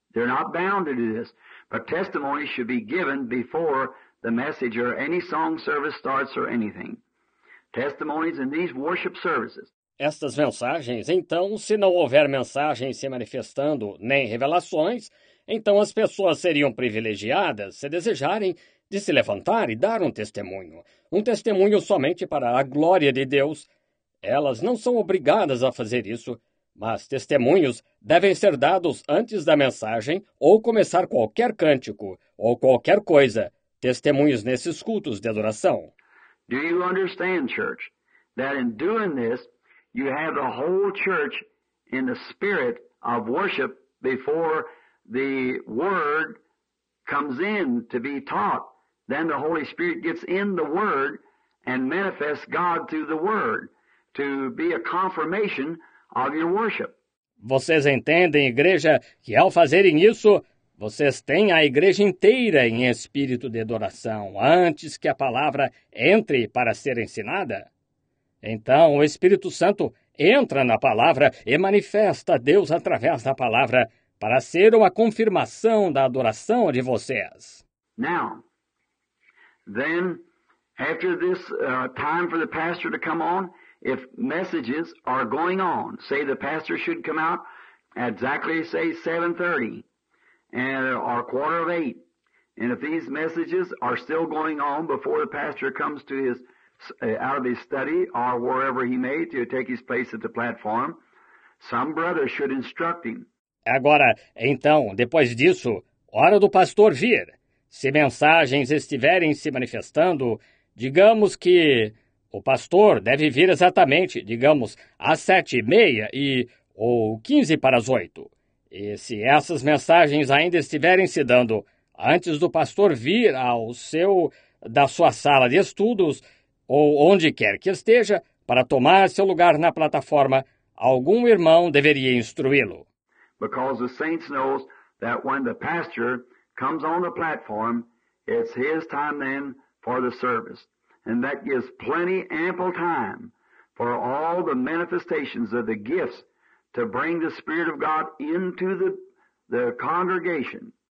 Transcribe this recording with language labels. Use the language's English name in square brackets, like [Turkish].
[English] They're not bound to do this, but testimony should be given before the message or any song service starts or anything. Testimonies in these worship services. [Portuguese] Estas mensagens, então, se não houver mensagens se manifestando nem revelações, então as pessoas seriam privilegiadas, se desejarem, de se levantar e dar um testemunho somente para a glória de Deus. Elas não são obrigadas a fazer isso, mas testemunhos devem ser dados antes da mensagem ou começar qualquer cântico ou qualquer coisa, testemunhos nesses cultos de adoração. [English] Do you understand, church, that in doing this, you have the whole church in the spirit of worship before the word comes in to be taught? Then the Holy Spirit gets in the word and manifests God through the word to be a confirmation of your worship. [Portuguese] Vocês entendem, igreja, que ao fazerem isso, vocês têm a igreja inteira em espírito de adoração antes que a palavra entre para ser ensinada? Então, o Espírito Santo entra na palavra e manifesta Deus através da palavra para ser uma confirmação da adoração de vocês. [English] Now, then, after this time for the pastor to come on, if messages are going on, say the pastor should come out at exactly, say, 7:30 or 7:45, and if these messages are still going on before the pastor comes to his out of his study or wherever he may to take his place at the platform, some brother should instruct him. [Portuguese] Agora, então, depois disso, hora do pastor vir. Se mensagens estiverem se manifestando, digamos que o pastor deve vir exatamente, digamos, às 7:30 e ou 7:45. E se essas mensagens ainda estiverem se dando antes do pastor vir ao seu da sua sala de estudos, ou onde quer que esteja, para tomar seu lugar na plataforma, algum irmão deveria instruí-lo. [English] Because the saints knows that when the pastor comes on the platform, it's his time then for the service. And that gives plenty ample time for all the manifestations of the gifts to bring the Spirit of God into the congregation.